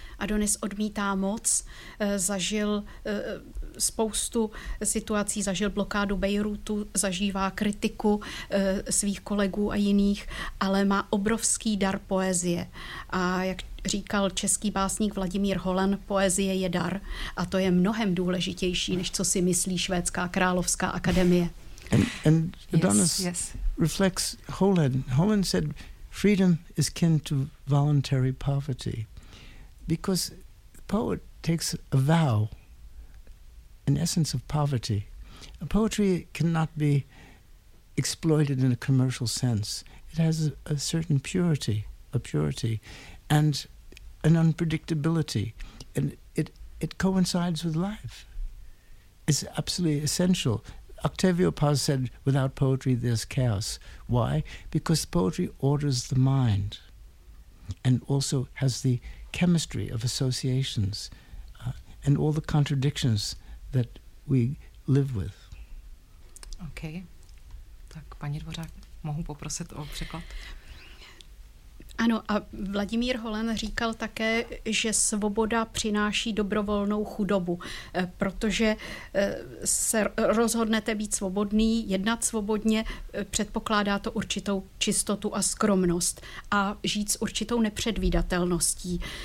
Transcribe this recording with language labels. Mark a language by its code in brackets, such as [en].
[cs] Adonis odmítá moc, zažil spoustu situací, zažil blokádu Bejrutu, zažívá kritiku svých kolegů a jiných, ale má obrovský dar poezie. A jak říkal český básník Vladimír Holan, poezie je dar a to je mnohem důležitější, než co si myslí Švédská královská akademie. [en] And Adonis reflects Holan. Holan said, freedom is kin to voluntary poverty, because the poet takes a vow, an essence of poverty. Poetry cannot be exploited in a commercial sense. It has a certain purity, a purity, and an unpredictability, and it coincides with life. It's absolutely essential. Octavio Paz said, without poetry, there's chaos. Why? Because poetry orders the mind and also has the chemistry of associations and all the contradictions that we live with. Okay. [cs] Tak, paní Dvořák, mohu poprosit o překlad? Ano, a Vladimír Holen říkal také, že svoboda přináší dobrovolnou chudobu, protože se rozhodnete být svobodný, jednat svobodně, předpokládá to určitou čistotu a skromnost a žít s určitou nepředvídatelností.